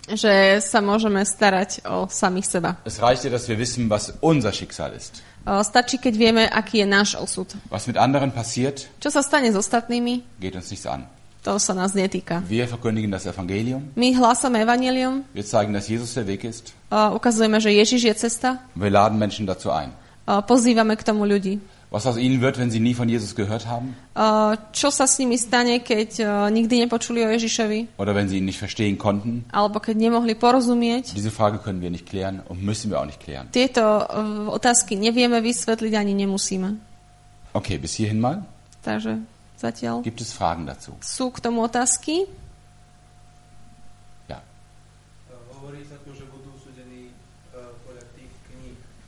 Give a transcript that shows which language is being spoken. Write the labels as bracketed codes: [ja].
[sk] Že sa môžeme starať o samých seba. [de] Es reicht dir, dass wir wissen, was unser Schicksal ist. [sk] Stačí, keď vieme, aký je náš osud. [de] Was mit anderen passiert, [sk] čo sa stane s ostatnými, [de] geht uns nichts an. [sk] To sa nás netýka. [de] Wir verkündigen das Evangelium. [sk] My hlásame Evangelium. [de] Wir zeigen, dass Jesus der Weg ist. [sk] Ukazujeme, že Ježiš je cesta. [de] Wir laden Menschen dazu ein. [sk] Pozývame k tomu ľudí. [de] Was aus ihnen wird, wenn sie nie von Jesus gehört haben? [sk] Čo sa s nimi stane, keď nikdy nepočuli o Ježišovi? [de] Oder wenn sie ihn nicht verstehen konnten? [sk] Alebo keď nemohli porozumieť? [de] Diese Frage können wir nicht klären und müssen wir auch nicht klären. [sk] Tieto otázky nevieme vysvetliť ani nemusíme. [de] Okay, bis hierhin mal. [sk] Takže zatiaľ. [de] Gibt es Fragen dazu? [sk] Sú k tomu otázky? [de] Ja. [sk] Hovorí sa tu, že budú súdení podľa tých kníh.